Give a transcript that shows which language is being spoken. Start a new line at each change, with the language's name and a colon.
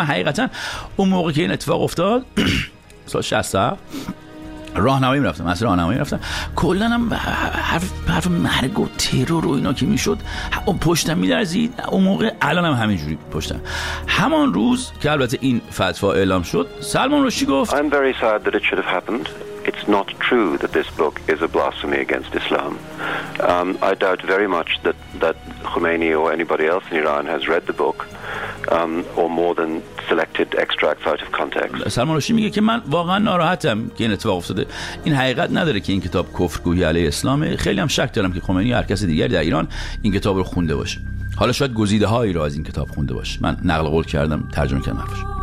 Persian: من حقیقتا اون موقع که این اتفاق افتاد سال 60 راهنمایی می‌رفتم، اصلا راهنمایی رفتم، کلا هم حرف مرگ و ترور و اینا که میشد پشتم می‌درزید. اون موقع الانم همینجوری پشتم. همان روز که البته این فتوا اعلام شد سلمان رشدی گفت
English: I'm very sad that it should have happened. It's not true that this book is a blasphemy against Islam. I doubt very much that Khomeini or anybody else in Iran has read the book or more than selected extracts out of context.
Persian: سلمان رشدی میگه که من واقعا ناراحتم که این اتفاق افتاده. این حقیقت نداره که این کتاب کفرگویی علیه اسلامه. خیلی هم شک دارم که خمینی هر کس دیگری در ایران این کتاب رو خونده باشه. حالا شاید گزیده هایی رو از این کتاب خونده باشه. من نقل قول کردم، ترجمه کردم حرفش.